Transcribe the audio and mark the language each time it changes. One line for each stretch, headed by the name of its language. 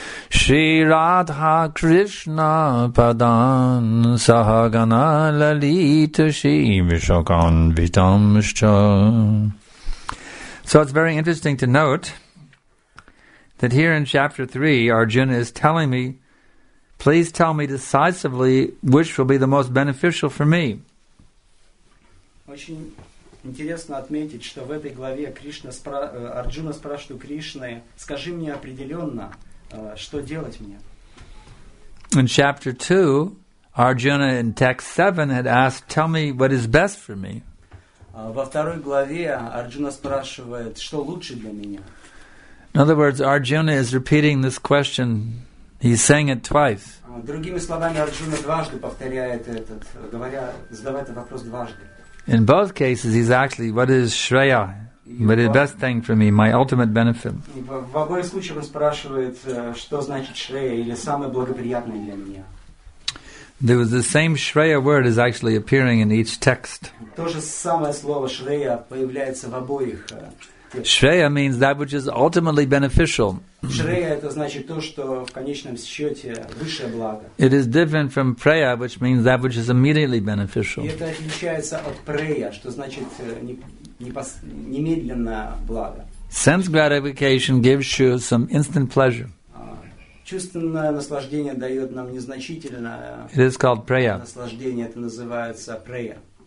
Sanskrit: Shri Radha Krishna Padan Sahagana Lalita Shri Vishakanvitamscha.
English: So it's very interesting to note that here in chapter 3, Arjuna is telling me, please tell me decisively which will be the most beneficial for me.
Russian: Очень интересно отметить, что в этой главе Арджуна спрашивает у Кришны, скажи мне определенно, что делать мне.
English: In chapter 2, Arjuna in text 7 had asked, tell me what is best for me.
Russian: Во второй главе Арджуна спрашивает, что лучше для меня.
English: In other words, Arjuna is repeating this question. He's saying it twice.
Russian: Другими словами, Арджуна дважды повторяет этот, говоря, задавая этот вопрос дважды.
English: In both cases, he's actually, what is Shreya? What is the best thing for me, my ultimate benefit?
Russian: В обоих случаях он спрашивает, что значит Shreya, или самое благоприятное для меня.
English: There was the same Shreya word is actually appearing in each text.
Russian: То же самое слово Shreya появляется в обоих.
English: Shreya means that which is ultimately beneficial.
Russian: Shreya это значит то, что в конечном счете высшее благо.
English: It is different from preya, which means that which is immediately beneficial.
Russian: И это отличается от preya, что значит немедленно благо.
English: Sense gratification gives you some instant pleasure.
Russian: Чувственное наслаждение дает нам незначительное.
English: It is called preya.
Russian: Наслаждение это называется preya.